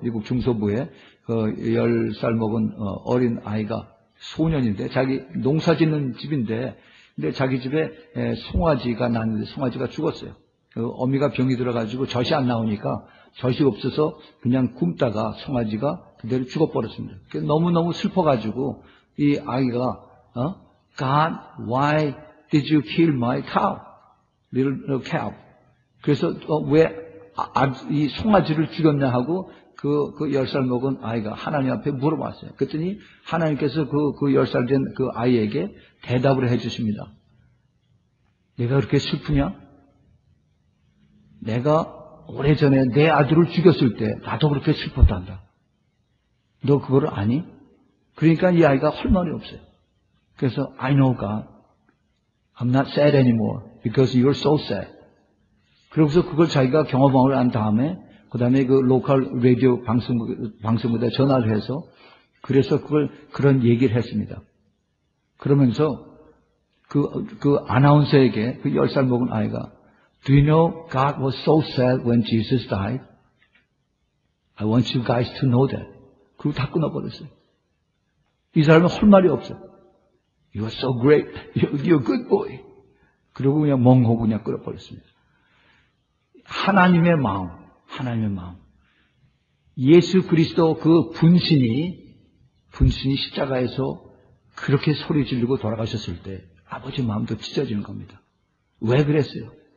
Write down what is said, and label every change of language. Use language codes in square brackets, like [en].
[ko] 미국 중서부에 그 10살 먹은 어린 아이가 소년인데 자기 농사 짓는 집인데 근데 자기 집에 송아지가 났는데 송아지가 죽었어요. 그 어미가 병이 들어가지고 젖이 안 나오니까 젖이 없어서 그냥 굶다가 송아지가 그대로 죽어버렸습니다. 너무너무 슬퍼가지고 이 아이가 [en] God, why did you kill my cow? Little cow. [ko] 그래서 왜 이 송아지를 죽였냐 하고 그 10살 먹은 아이가 하나님 앞에 물어봤어요. 그랬더니 하나님께서 그 10살 된 그 아이에게 대답을 해주십니다. 내가 그렇게 슬프냐? 내가 오래전에 내 아들을 죽였을 때 나도 그렇게 슬펐단다. 너 그거를 아니? 그러니까 이 아이가 할 말이 없어요. 그래서 [en] I know God. I'm not sad anymore because you're so sad. [ko] 그러고서 그걸 자기가 경험을 한 다음에 그 다음에 그 로컬 라디오 방송국에 전화를 해서 그래서 그런 얘기를 했습니다. 그러면서 그 아나운서에게 그 10살 먹은 아이가 [en] Do you know God was so sad when Jesus died? I want you guys to know that. [ko] 그리고 다 끊어버렸어요. 이 사람은 할 말이 없어. [en] You are so great. You're a good boy. [ko] 그리고 그냥 멍하고 그냥 끊어버렸습니다. 하나님의 마음, 하나님의 마음. 예수 그리스도 그 분신이 십자가에서 그렇게 소리 지르고 돌아가셨을 때 아버지 마음도 찢어지는 겁니다. 왜 그랬어요?